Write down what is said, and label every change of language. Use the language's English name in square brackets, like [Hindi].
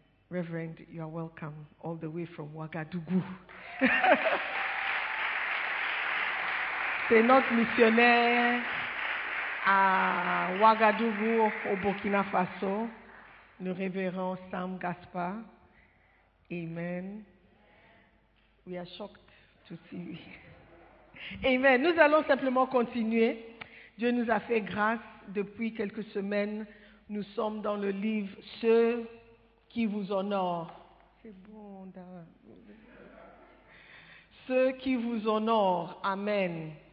[English] Reverend, you are welcome all the way from Ouagadougou. [French] C'est notre missionnaire à Ouagadougou, au Burkina Faso, le révérend Sam Gaspar. Amen. [English] We are shocked to see you. [French] Amen. Nous allons simplement continuer. Dieu nous a fait grâce depuis quelques semaines. Nous sommes dans le livre « Ceux qui vous honorent ». C'est bon, Ceux qui vous honorent ». Amen.